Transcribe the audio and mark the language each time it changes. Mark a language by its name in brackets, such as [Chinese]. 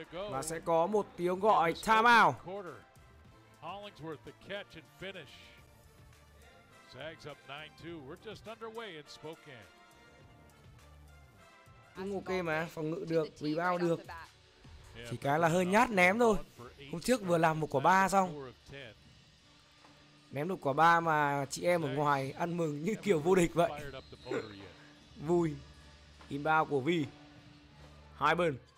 [Vietnamese] Và sẽ có một tiếng gọi timeout. [English] Hollingsworth the catch and finish. Zags up 9-2. We're just underway in Spokane. [Vietnamese] Cũng ok mà, phòng ngự được, rebound được. Chỉ cái là hơi nhát ném thôi. Hôm trước vừa làm một quả 3 xong. Ném được quả 3 mà chị em ở ngoài ăn mừng như kiểu vô địch vậy. Vui. Inbound của Vi. Hyburn.